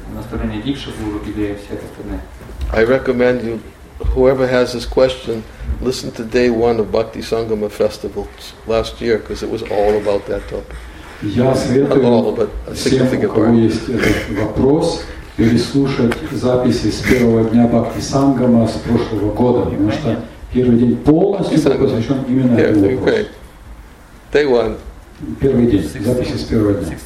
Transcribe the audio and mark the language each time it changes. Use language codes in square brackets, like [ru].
[ru] Наставления дикша, гуру, идеи, все остальные. [en] I recommend you, whoever has this question, listen to day one of Bhakti Sangama Festival last year, because it was all about that topic. [ru] Я советую всем, у кого есть этот вопрос, переслушать записи с первого дня Бхакти Сангама с прошлого года, потому что первый день полностью посвящен именно этому вопросу. [en] Day one. [ru] Первый день, записи с первого дня.